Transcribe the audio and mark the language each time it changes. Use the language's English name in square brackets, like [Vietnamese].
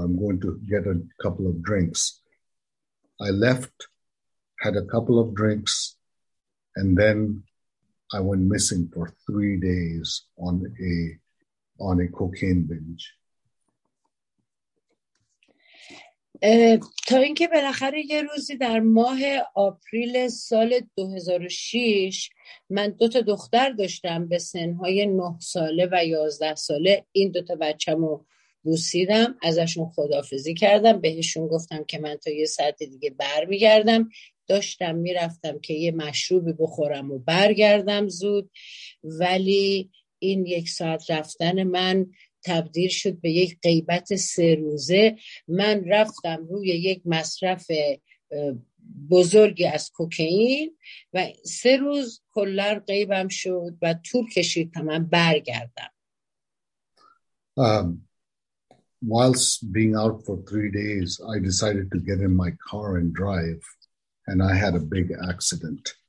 [English] I'm going to get a couple of drinks. I left, had a couple of drinks, and then I went missing for 3 days on a cocaine binge. [Persian] تا اینکه بالاخره یه روزی در ماه آپریل سال 2006، من 2 تا دختر داشتم به سنهای 9 ساله و 11 ساله، این 2 تا بچه‌مو بوسیدم، ازشون خداحافظی کردم، بهشون گفتم که من تا یه ساعت دیگه برمیگردم، داشتم میرفتم که یه مشروبی بخورم و برگردم زود، ولی این یک ساعت رفتن من تبدیل شد به یک غیبت 3 روزه. من رفتم روی یک مصرف بزرگی از کوکائین و 3 روز کلن غیبم شد و طول کشید تا من برگردم. [English] Whilst being out for 3 days, I decided to get in my car and drive, and I had a big accident.